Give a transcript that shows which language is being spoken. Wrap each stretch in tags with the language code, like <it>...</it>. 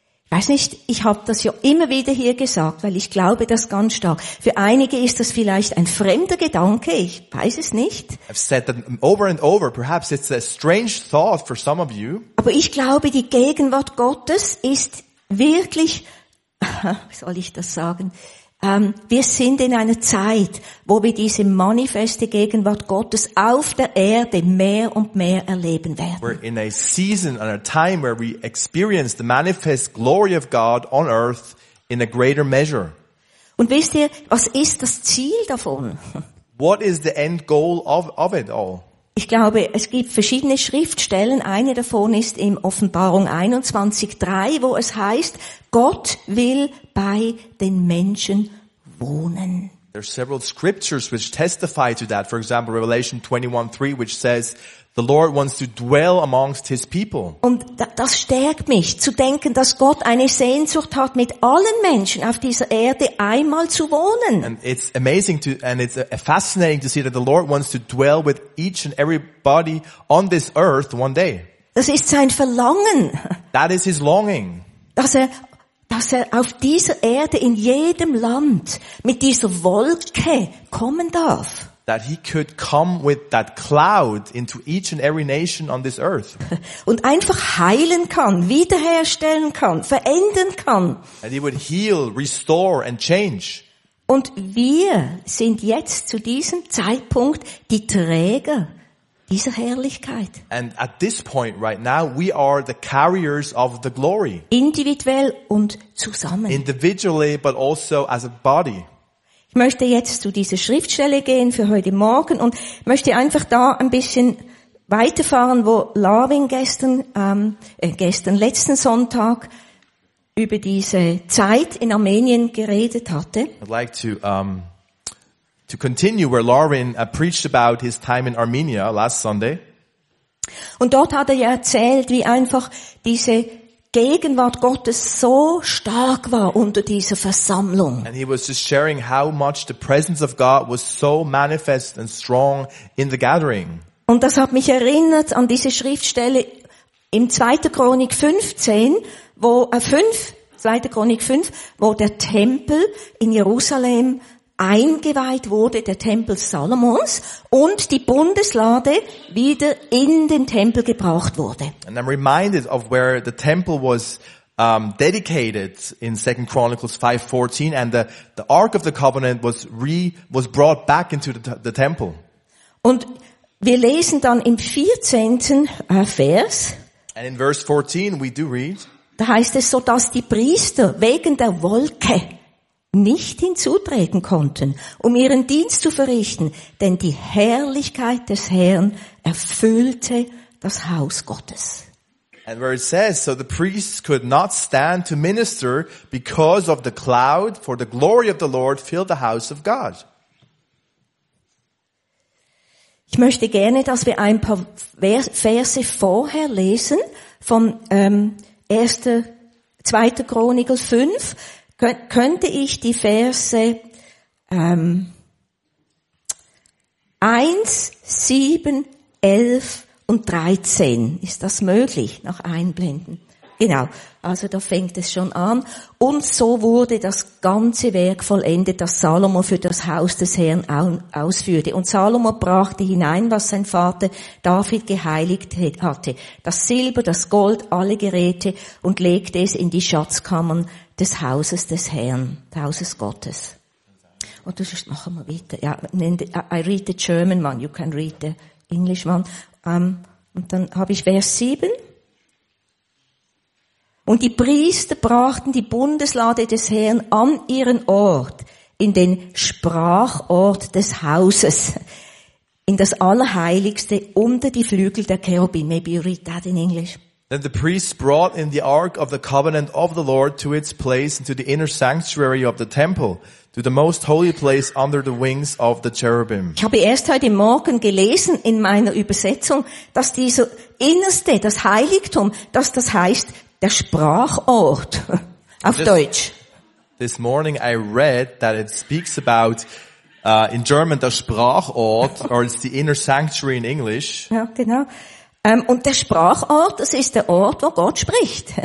<de>Ich weiß nicht, ich habe das ja immer wieder hier gesagt, weil ich glaube das ganz stark. Für einige ist das vielleicht ein fremder Gedanke, ich weiß es nicht.</de> <en>I've said that over and over, perhaps it's a strange thought for some of you.</en> <de>Aber ich glaube, die Gegenwart Gottes ist wirklich, wie soll ich das sagen, Wir sind in einer Zeit, wo wir diese manifeste Gegenwart Gottes auf der Erde mehr und mehr erleben werden.</de> <en>We're in a season and a time where we experience the manifest glory of God on earth in a greater measure.</en> <de>Und wisst ihr, was ist das Ziel davon?</de> <en>What is the end goal of it all?</en> <de>Ich glaube, es gibt verschiedene Schriftstellen. Eine davon ist im Offenbarung 21,3, wo es heißt, Gott will bei den Menschen wohnen.</de> <en>There are several scriptures which testify to that. For example, Revelation 21,3, which says, the Lord wants to dwell amongst his people.</en> <de>Und das stärkt mich zu denken, dass Gott eine Sehnsucht hat, mit allen Menschen auf dieser Erde einmal zu wohnen.</de> <en>And it's amazing to and it's fascinating to see that the Lord wants to dwell with each and everybody on this earth one day.</en> <de>Das ist sein Verlangen.</de> <en>That is his longing.</en> <de>Dass er auf dieser Erde in jedem Land mit dieser Wolke kommen darf.</de> <en>That he could come with that cloud into each and every nation on this earth.</en> <de>Und einfach heilen kann, wiederherstellen kann, verändern kann.</de> <en>And he would heal, restore and change.</en> <de>Und wir sind jetzt zu diesem Zeitpunkt die Träger dieser Herrlichkeit.</de> <en>And at this point right now, we are the carriers of the glory.</en> <de>Individuell und zusammen.</de> <en>Individually, but also as a body.</en> <de>Ich möchte jetzt zu dieser Schriftstelle gehen für heute Morgen und möchte einfach da ein bisschen weiterfahren, wo Larwin letzten Sonntag über diese Zeit in Armenien geredet hatte.</de> <en>I'd like to continue where Larwin preached about his time in Armenia last Sunday.</en> <de>Und dort hat er ja erzählt, wie einfach diese Gegenwart Gottes so stark war unter dieser Versammlung.</de> <en>And he was just sharing how much the presence of God was so manifest and strong in the gathering.</en> <de>Und das hat mich erinnert an diese Schriftstelle im 2. Chronik 15, wo 2. Chronik 5, wo der Tempel in Jerusalem eingeweiht wurde, der Tempel Salomons, und die Bundeslade wieder in den Tempel gebracht wurde.</de> <en>And I'm reminded of where the temple was dedicated in 2 Chronicles 5:14 and the Ark of the Covenant was brought back into the temple.</en> <de>Und wir lesen dann im 14. Vers.</de> <en>And in verse 14 we do read.</en> <de>Da heißt es, so dass die Priester wegen der Wolke nicht hinzutreten konnten, um ihren Dienst zu verrichten, denn die Herrlichkeit des Herrn erfüllte das Haus Gottes.</de> <en>And where it says, so the priests could not stand to minister because of the cloud, for the glory of the Lord filled the house of God.</en> <de>Ich möchte gerne, dass wir ein paar Verse vorher lesen von 2. Chronik 5. Könnte ich die Verse 1, 7, 11 und 13, ist das möglich, noch einblenden? Genau, also da fängt es schon an. Und so wurde das ganze Werk vollendet, das Salomo für das Haus des Herrn ausführte. Und Salomo brachte hinein, was sein Vater David geheiligt hatte, das Silber, das Gold, alle Geräte, und legte es in die Schatzkammern des Hauses des Herrn, des Hauses Gottes. Und du schaust noch einmal weiter.</de> <en>Ja, I read the German one, you can read the English one.</en> <de>Und dann habe ich Vers 7. Und die Priester brachten die Bundeslade des Herrn an ihren Ort, in den Sprachort des Hauses, in das Allerheiligste unter die Flügel der Cherubim.</de> <en>Maybe you read that in English. Then the priests brought in the Ark of the Covenant of the Lord to its place into the inner sanctuary of the temple, to the most holy place under the wings of the cherubim.</en> <de>Ich habe erst heute Morgen gelesen in meiner Übersetzung, dass dieser innerste, das Heiligtum, dass das heißt der Sprachort auf Deutsch.</de> <en>This morning I read that it speaks about in German der Sprachort, or it's the inner sanctuary in English.</en> <de>Ja, genau. Und der Sprachort, das ist der Ort, wo Gott spricht.</de>